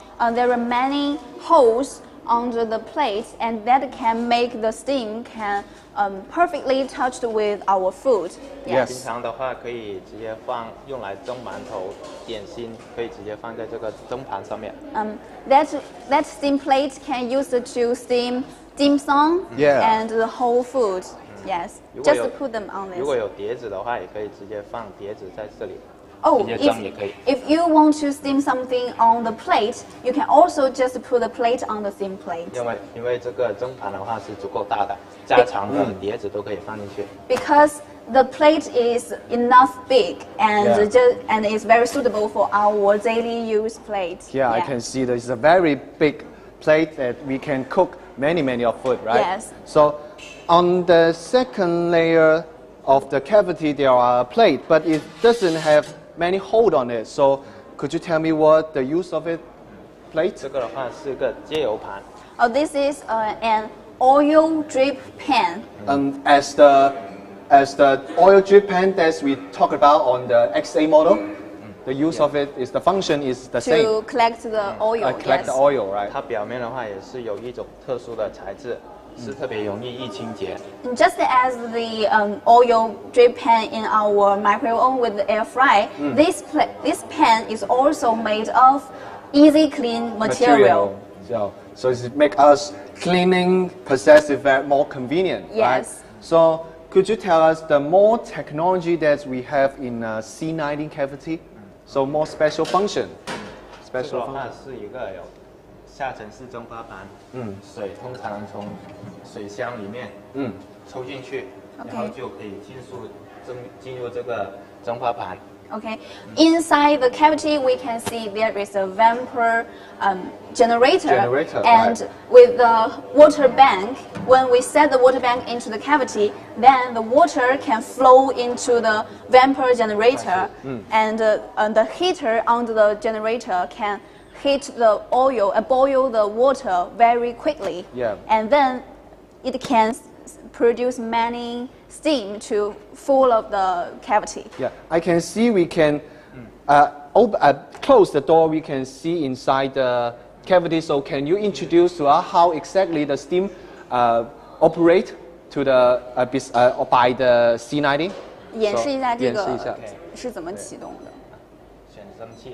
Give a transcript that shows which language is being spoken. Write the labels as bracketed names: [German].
[English] There are many holes under the plate, and that can make the steam can perfectly touched with our food. Yes. [Chinese] 平常的话可以直接放用来蒸馒头、点心，可以直接放在这个蒸盘上面。 [English] That steam plate can use to steam dim sum yeah. and the whole food. Yes. Just put them on this. [Chinese] 如果有碟子的话，也可以直接放碟子在这里。 [English] Oh, if you want to steam something on the plate, you can also just put the plate on the steam plate. [Chinese] 因为这个蒸盘的话是足够大的，家常的碟子都可以放进去。 [English] Because the plate is enough big and yeah. and it's very suitable for our daily use plate. Yeah, I can see that it's a very big plate that we can cook many of food, right? Yes. So on the second layer of the cavity, there are a plate, but it doesn't have many hold on it. So could you tell me what the use of it, plate? Oh, this is an oil drip pan. And as the oil drip pan that we talked about on the XA model, the use of it is the function is the same. To collect the oil, collect the oil, right? [Chinese] 它表面的话也是有一种特殊的材质，是特别容易易清洁。 [English] Just as the oil drip pan in our microwave with air fry, this pan is also made of easy clean material. So it makes us cleaning process more convenient, yes. Right? So could you tell us the more technology that we have in a C19 cavity? So more special function. Special function. [Chinese] 是一个有下沉式蒸发盘。水通常从水箱里面抽进去，然后就可以迅速进入这个蒸发盘。 [English] Okay, inside the cavity, we can see there is a vapor generator. And right. With the water bank, when we set the water bank into the cavity, then the water can flow into the vapor generator. And the heater under the generator can heat the oil, boil the water very quickly. Yeah. And then it can produce many steam to full of the cavity. Yeah, I can see we can close the door, we can see inside the cavity. So can you introduce to us how exactly the steam operate to the by the C90? [Chinese] 演示一下这个是怎么启动的。